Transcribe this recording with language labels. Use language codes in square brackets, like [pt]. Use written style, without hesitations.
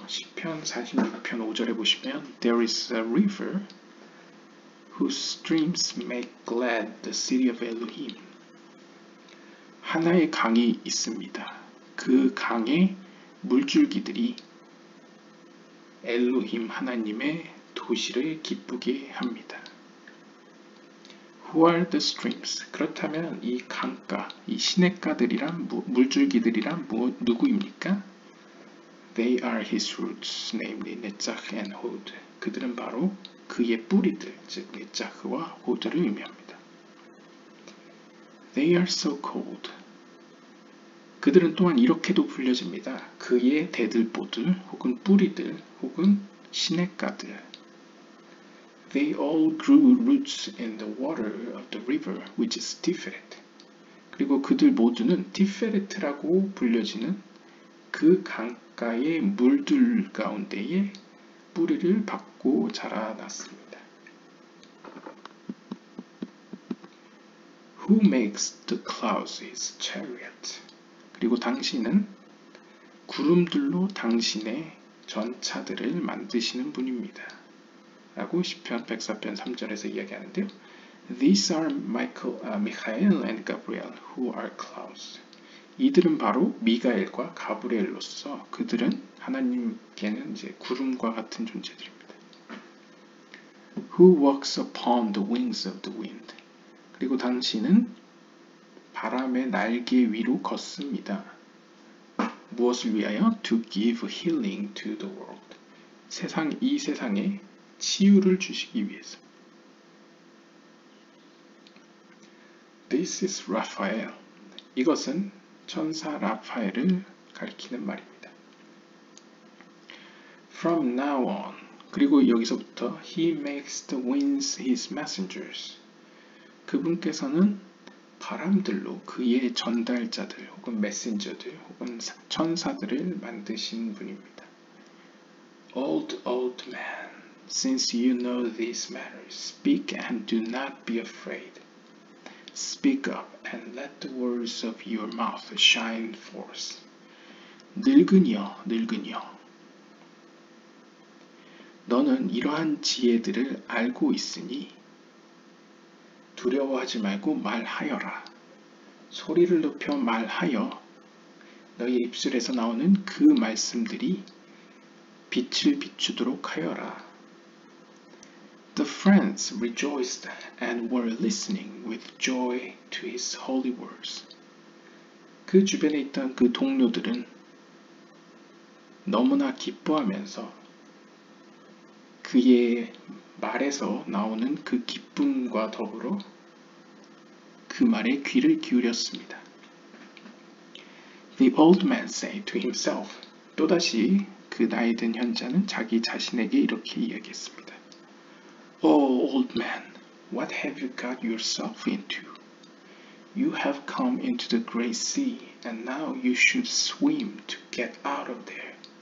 [ko] 시편 46편 5절에 보시면 [en] There is a river whose streams make glad the city of Elohim. [ko] 하나의 강이 있습니다. 그 강의 물줄기들이 엘로힘 하나님의 도시를 기쁘게 합니다. [en] Who are the streams? [ko] 그렇다면 이 강가, 이 시냇가들이란 물줄기들이란 누구입니까? [en] They are his roots, namely, Netzach and Hod. [ko] 그들은 바로 그의 뿌리들, 즉 Netzach와 Hod를 의미합니다. [en] They are so called. [ko] 그들은 또한 이렇게도 불려집니다. 그의 대들보들, 혹은 뿌리들, 혹은 시냇가들. [en] They all grew roots in the water of the river, which is Tiferet. [ko] 그리고 그들 모두는 Tiferet라고 불려지는 그 강가의 물들 가운데에 뿌리를 박고 자라났습니다. [en] Who makes the clouds his chariot? [ko] 그리고 당신은 구름들로 당신의 전차들을 만드시는 분입니다. 라고 시편 104편 3절에서 이야기하는데요. [en] These are Michael and Gabriel who are clouds. [ko] 이들은 바로 미가엘과 가브리엘로서 그들은 하나님께는 이제 구름과 같은 존재들입니다. [en] Who walks upon the wings of the wind? [ko] 그리고 당신은 바람의 날개 위로 걷습니다. 무엇을 위하여? [en] To give healing to the world. [ko] 이 세상에 치유를 주시기 위해서. [en] This is Raphael. [ko] 이것은 천사 라파엘을 가리키는 말입니다. [en] From now on. [ko] 그리고 여기서부터 [en] He makes the winds his messengers. [ko] 그분께서는 바람들로 그의 전달자들, 혹은 메신저들, 혹은 천사들을 만드신 분입니다. [en] Old man, since you know these matters, speak and do not be afraid. Speak up and let the words of your mouth shine forth. [ko] 늙은이여, 늙은이여. 너는 이러한 지혜들을 알고 있으니 두려워하지 말고 말하여라. 소리를 높여 말하여 너희 입술에서 나오는 그 말씀들이 빛을 비추도록 하여라. [en] The friends rejoiced and were listening with joy to his holy words. [ko] 그 주변에 있던 그 동료들은 너무나 기뻐하면서 그의 말에서 나오는 그 기쁨과 더불어 그 말에 귀를 기울였습니다. [en] The old man said to himself. [ko] 또다시 그 나이 든 현자는 자기 자신에게 이렇게 이야기했습니다. [en] Oh, old man, what have you got yourself into? You have come into the great sea, and now you should swim to get out of there.